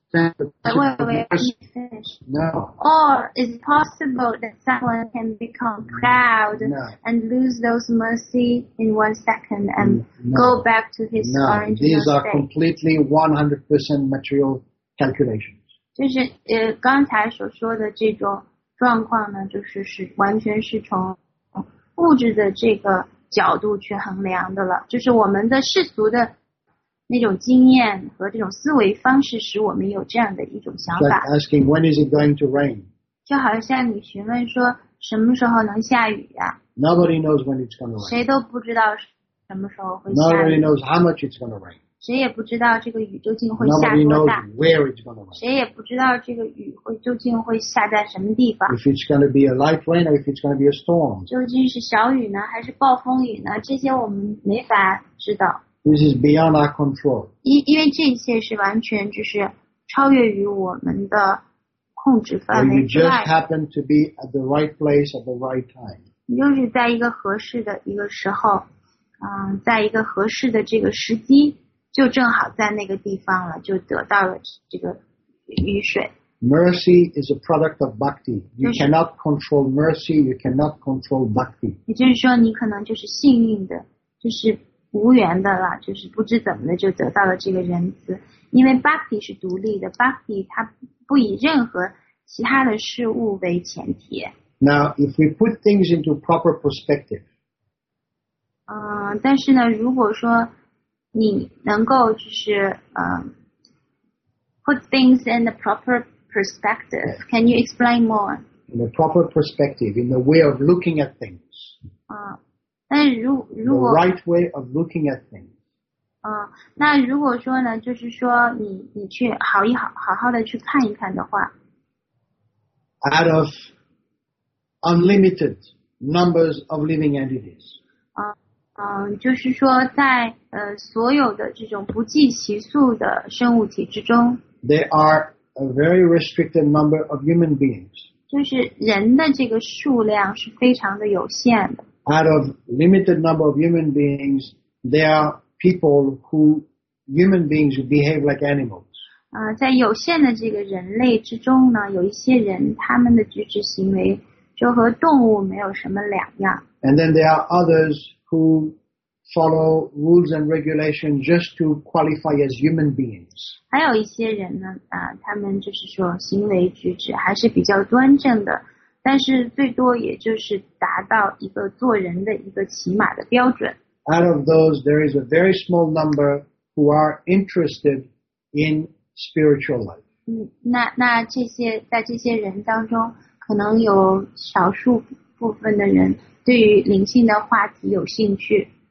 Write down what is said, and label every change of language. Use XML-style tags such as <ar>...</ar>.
<en>Or is it possible that someone can become proud and lose those mercy in 1 second and go back to his original state? These are completely 100% material calculations.</en> <zh>就是刚才所说的这种状况呢，就是完全是从物质的这个角度去衡量的了，就是我们的世俗的那种经验和这种思维方式使我们有这样的一种想法。</zh> <en>Like asking when is it going to rain?</en> <zh>就好像你询问说什么时候能下雨呀、啊、</zh> <en>？Nobody knows when it's going to rain.</en> <zh>谁都不知道什么时候会下雨。</zh> <en>Nobody knows how much it's going to rain.</en> <zh>谁也不知道这个雨究竟会下多大。</zh> <en>Nobody knows where it's going to rain.</en> <zh>谁也不知道这个雨会究竟会下在什么地方。</zh> <en>If it's going to be a light rain or if it's going to be a storm.</en> <zh>究竟是小雨呢，还是暴风雨呢？这些我们没法知道。</zh> <en>This is beyond our control.</en> <zh>因为这些是完全就是超越于我们的控制范围之外。</zh> <en>You just happen to be at the right place at the right time.</en> <zh>你就是在一个合适的一个时候，在一个合适的这个时机，就正好在那个地方了，就得到了这个雨水。</zh> <en>Mercy is a product of bhakti. You cannot control mercy. You cannot control bhakti.</en> <zh>也就是说，你可能就是幸运的，就是。无缘的了，就是不知怎么的就得到了这个人子，因为 bhakti 是独立的， bhakti 它不以任何其他的事物为前提。</zh> <en>Now, if we put things into proper perspective,</en> <zh>但是呢，如果说你能够就是</zh> <en>put things in the proper perspective, can you explain more? In the proper perspective, in the way of looking at things. The right way of looking at things.</en> <zh>那如果说呢，就是说你去好好的去看一看的话</zh> <en>，out of unlimited numbers of living entities.</en> <zh>就是说在所有的这种不计其数的生物体之中</zh> <en>，there are a very restricted number of human beings.</en> <zh>就是人的这个数量是非常的有限的。</zh> <en>Out of limited number of human beings, there are people who human beings who behave like animals.</en> <zh>在有限的这个人类之中呢，有一些人他们的举止行为就和动物没有什么两样。</zh> <en>And then there are others who follow rules and regulations just to qualify as human beings.</en> <zh>还有一些人呢，他们就是说行为举止还是比较端正的。但是最多也就是达到一个做人的一个起码的标准。</zh> <en>Out of those, there is a very small number who are interested in spiritual life.</en> <zh>那这些在这些人当中，可能有少数部分的人对于灵性的话题有兴趣。</zh>